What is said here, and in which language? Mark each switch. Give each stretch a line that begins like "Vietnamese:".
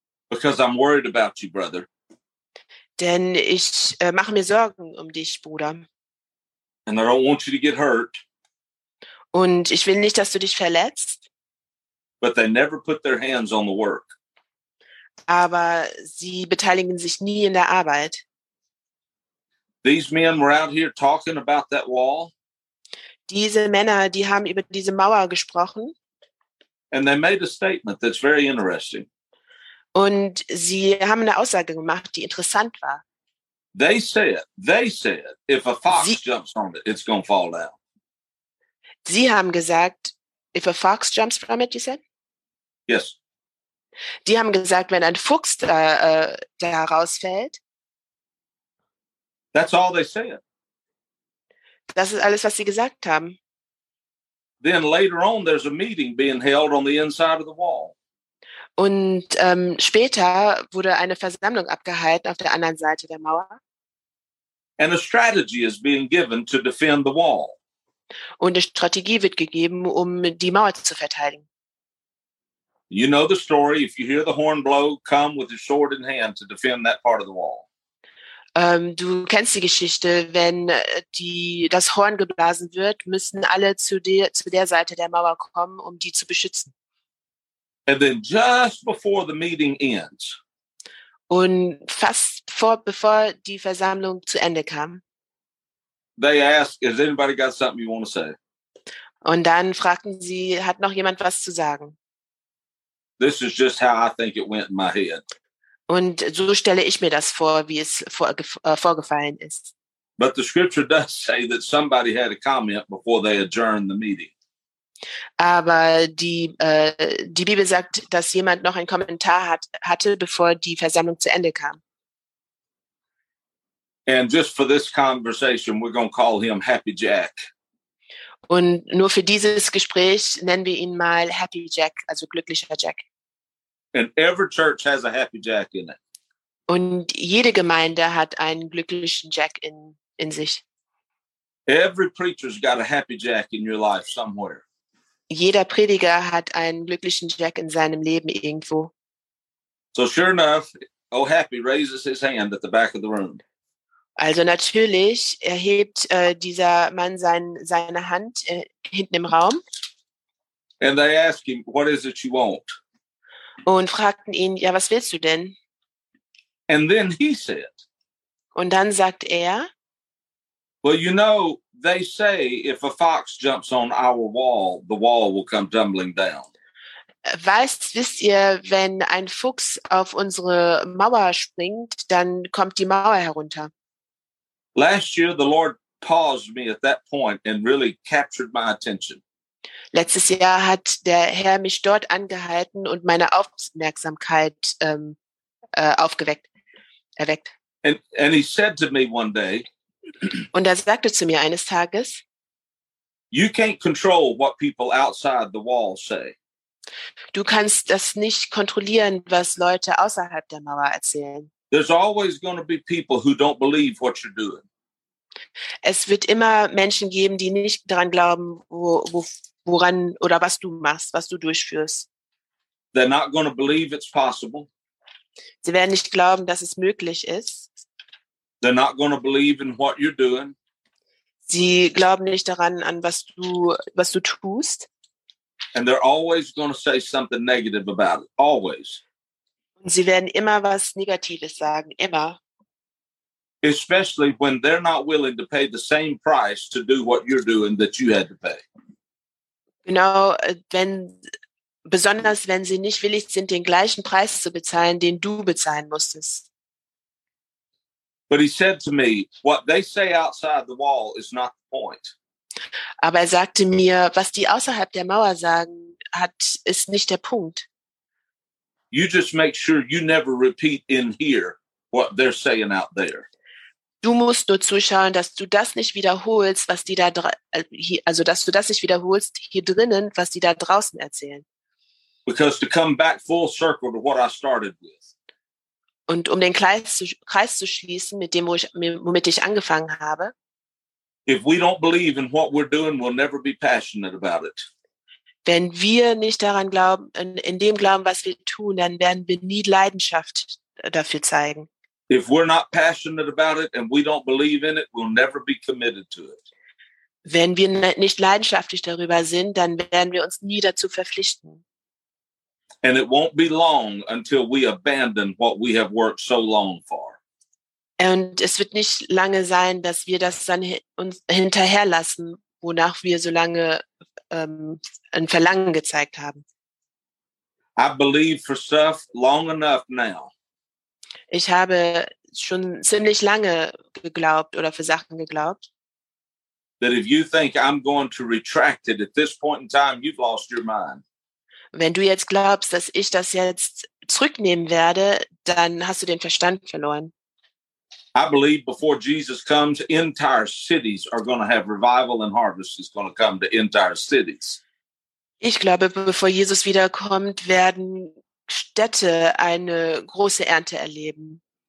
English: Because I'm worried about you, brother.
German: Denn ich mache mir Sorgen um dich, Bruder.
English: And I don't want you to get hurt.
German: Und ich will nicht, dass du dich verletzt.
English: But they never put their hands on the work.
German: Aber sie beteiligen sich nie in der Arbeit.
English: These men were out here talking about that wall.
German: Diese Männer, die haben über diese Mauer gesprochen.
English: And they made a statement that's very interesting.
German: Und sie haben eine Aussage gemacht, die interessant war.
English: They said, if a fox jumps on it, it's going to fall down.
German: Sie haben gesagt,
English: if a fox jumps from it, you said? Yes.
German: Die haben gesagt, wenn ein Fuchs da rausfällt.
English: That's all they said.
German: Das ist alles, was sie gesagt haben.
English: Then later on, there's a meeting being held on the inside of the wall.
German: Und später wurde eine Versammlung abgehalten auf der anderen Seite der Mauer.
English: And a strategy is being given to defend the wall.
German: Und eine Strategie wird gegeben, um die Mauer zu verteidigen.
English: You know the story. If you hear the horn blow, come with your sword in hand to defend that part of the wall.
German: Du kennst die Geschichte. Wenn das Horn geblasen wird, müssen alle zu der Seite der Mauer kommen, um die zu beschützen.
English: And then just before the meeting ends.
German: Und fast bevor die Versammlung zu Ende kam.
English: They ask, has anybody got something you want to say?
German: Und dann fragten sie, hat noch jemand was zu sagen?
English: This is just how I think it went in my head.
German: Und so stelle ich mir das vor, wie es vorgefallen ist.
English: But the scripture does say that somebody had a comment before they adjourned the meeting.
German: Aber die Bibel sagt, dass jemand noch einen Kommentar hatte, bevor die Versammlung zu Ende kam.
English: And just for this conversation, we're going to call him Happy Jack.
German: Und nur für dieses Gespräch nennen wir ihn mal Happy Jack, also glücklicher Jack.
English: And every church has a Happy Jack in it.
German: Und jede Gemeinde hat einen glücklichen Jack in sich.
English: Every preacher's got a Happy Jack in your life somewhere.
German: Jeder Prediger hat einen glücklichen Jack in seinem Leben irgendwo.
English: So sure enough, Oh Happy raises his hand at the back of the room.
German: Also natürlich erhebt dieser Mann seine Hand hinten im Raum.
English: And they ask him, what is it you want?
German: Und fragten ihn, ja, was willst du denn?
English: And then he said,
German: und dann sagt er,
English: well, you know, they say if a fox jumps on our wall, the wall will come tumbling down.
German: Wisst ihr, wenn ein Fuchs auf unsere Mauer springt, dann kommt die Mauer herunter.
English: Last year, the Lord paused me at that point and really captured my attention.
German: Letztes Jahr hat der Herr mich dort angehalten und meine Aufmerksamkeit erweckt.
English: And he said to me one day,
German: und er sagte zu mir eines Tages,
English: you can't control what people outside the wall say.
German: Du kannst das nicht kontrollieren, was Leute außerhalb der Mauer erzählen.
English: There's always going to be people who don't believe what you're doing.
German: Es wird immer Menschen geben, die nicht daran glauben, woran oder was du machst, was du durchführst.
English: They're not going to believe it's possible.
German: Sie werden nicht glauben, dass es möglich ist.
English: They're not going to believe in what you're doing.
German: Sie glauben nicht daran, an was du tust.
English: And they're always going to say something negative about it. Always.
German: Sie werden immer was Negatives sagen, immer.
English: Especially when they're not willing to pay the same price to do what you're doing that you had to pay.
German: Genau, besonders wenn sie nicht willig sind, den gleichen Preis zu bezahlen, den du bezahlen musstest.
English: But he said to me, what they say outside the wall is not the point.
German: Aber er sagte mir, was die außerhalb der Mauer sagen, ist nicht der Punkt.
English: You just make sure you never repeat in here what they're saying out there.
German: Du musst nur zuschauen, dass du das nicht wiederholst, was die da also dass du das nicht wiederholst hier drinnen, was die da draußen erzählen.
English: Because to come back full circle to what I started with.
German: Und um den Kreis zu schließen mit dem, womit ich angefangen habe.
English: If we don't believe in what we're doing, we'll never be passionate about it.
German: Wenn wir nicht daran glauben, in dem glauben, was wir tun, dann werden wir nie Leidenschaft dafür zeigen.
English: If we're not passionate about it and we don't believe in it, we'll never be committed to it.
German: Wenn wir nicht leidenschaftlich darüber sind, dann werden wir uns nie dazu verpflichten.
English: And it won't be long until we abandon what we have worked so long for.
German: Und es wird nicht lange sein, dass wir das dann uns hinterherlassen, wonach wir so lange ein Verlangen gezeigt haben.
English: I believe for stuff long enough now.
German: Ich habe schon ziemlich lange geglaubt oder für Sachen geglaubt.
English: That if you think I'm going to retract it at this point in time, you've lost your mind.
German: Wenn du jetzt glaubst, dass ich das jetzt zurücknehmen werde, dann hast du den Verstand verloren.
English: I believe before Jesus comes, entire cities are going to have revival and harvest is going to come to entire cities.
German: Ich glaube, bevor Jesus wiederkommt, werden Städte eine große Ernte erleben.